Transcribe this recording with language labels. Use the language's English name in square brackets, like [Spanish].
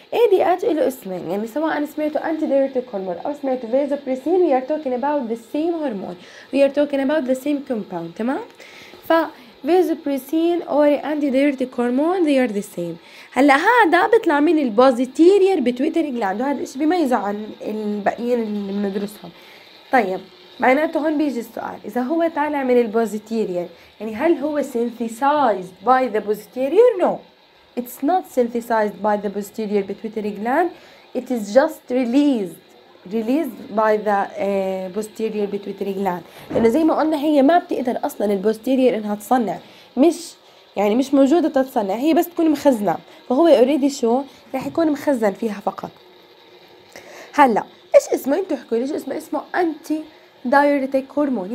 [Arabic] اي دي اتش له اسمين، يعني سواء سمعتوا [English] Antidiuretic hormone او سمعتوا vasopressin, we are talking about the same hormone, we are talking about the same compound. تمام. ف vasopressin or antidiuretic hormone they are the same. [Arabic] هلا هذا بيطلع من البوزيتيريور بتويتري جلاند، وهذا الشيء بيميزه عن الباقيين اللي بندرسهم. طيب معناته هون بيجي السؤال، اذا هو طالع من البوزيتيريور يعني هل هو [English] synthesized by the posterior؟ No, it's not synthesized by the posterior pituitary gland, it is just released by the posterior pituitary gland. [Arabic] لانه زي ما قلنا هي ما بتقدر اصلا البوستيريور انها تصنع، مش يعني مش موجوده تتصنع، هي بس تكون مخزنه، فهو اوريدي شو رح يكون مخزن فيها فقط. هلا ايش اسمه؟ انتوا احكوا لي ايش اسمه. اسمه انتي دايوريتيك هرمون.